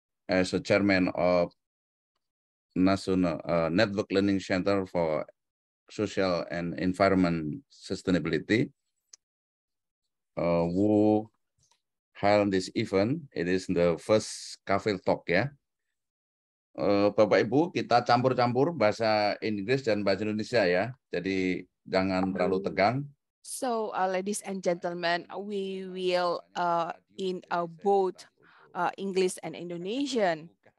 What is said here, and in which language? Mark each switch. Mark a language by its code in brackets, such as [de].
[en] As a chairman of National Network Learning Center for Social and Environment Sustainability, who held this event. It is the first cafe talk, ya. [id] Bapak Ibu, kita campur-campur bahasa Inggris dan bahasa Indonesia, ya. Jadi jangan terlalu tegang. [en] So, ladies and gentlemen, we will in a boat English and Indonesian.